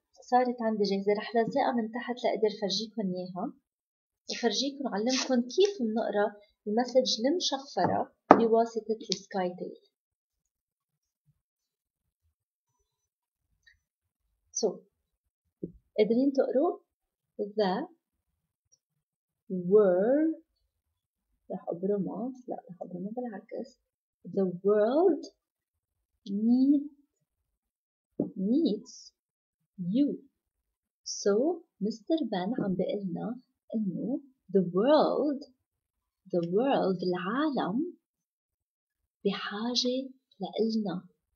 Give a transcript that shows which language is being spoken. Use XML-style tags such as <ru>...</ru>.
<ar>صارت عندي جاهزة، رح لزقها من تحت لأقدر فرجيكم إياها وفرجيكم وعلمكم كيف بنقرأ المسج المشفرة بواسطة السكاي تيل. So, قدرين تقروا؟</ar> <en>The were</en> <ar>راح أبرمه، لأ راح أبرمه بالعكس.</ar> <en>The world needs you. So Mr.</en> <ar>Ben عم بيقلنا إنه</ar> <en>the world</en> <ar>العالم بحاجة لإلنا.</ar>